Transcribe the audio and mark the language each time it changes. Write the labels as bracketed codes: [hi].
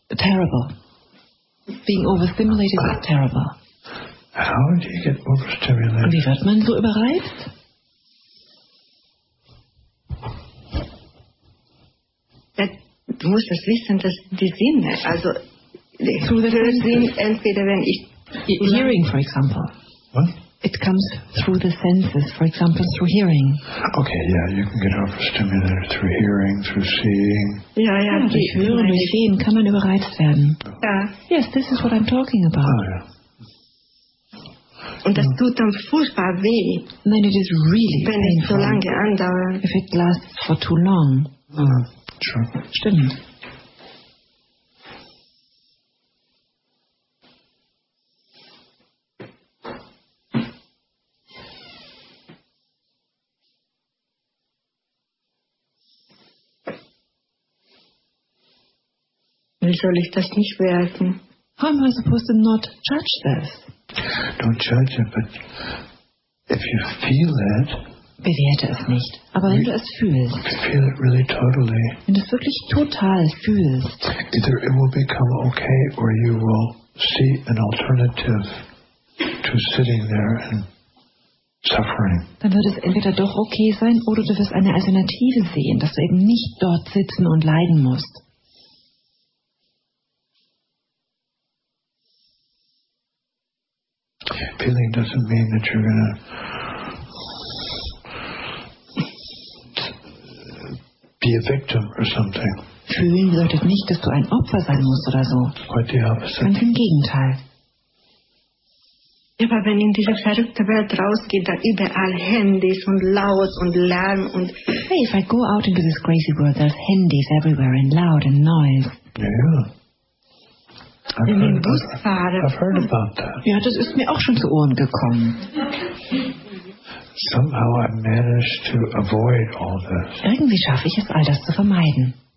[en] Terrible. Being overstimulated is terrible. How do you get overstimulated? [de] Wie wird man so überreizt? Du musst das wissen, dass die Sinne, also der Sinn, entweder wenn ich... [en] Hearing, for example. What? It comes through the senses, for example, through hearing. Okay, yeah, you can get overstimulated through hearing, through seeing. [de] Ja, durch Hören, durch Sehen kann man überreizt werden. Ja. [en] Yes, this is what I'm talking about. Oh, yeah. [de] Und das tut dann furchtbar weh. [en] And then it is really [de] wenn [en] painful. [de] Es so lange andauert. [en] If it lasts for too long. Mm. Sure. [de] Stimmt. Wie soll ich das nicht werten? [en] How am I supposed to not judge this? Don't judge it, but if you feel it. [de] Bewerte es nicht. Aber wenn du es fühlst, [en] feel it really totally, [de] wenn du es wirklich total fühlst, [en] either it will become okay or you will see an alternative to sitting there and suffering. [de] Dann wird es entweder doch okay sein oder du wirst eine Alternative sehen, dass du eben nicht dort sitzen und leiden musst. [en] Feeling doesn't mean that you're gonna be a victim or something. [de] Fühlen bedeutet nicht, dass du ein Opfer sein musst oder so. [en] Quite the opposite. [de] Ganz im Gegenteil. Ja, aber wenn in diese verrückte Welt rausgeht, da überall Handys und laut und Lärm und... [en] Hey, if I go out into this crazy world, there's Handys everywhere and loud and noise. Yeah. [de] In den Busfahrer. [en] I've heard about that. [de] Ja, das ist mir auch schon zu Ohren gekommen. [en] Somehow I managed to avoid all this. [de] Irgendwie schaffe ich es, all das zu vermeiden.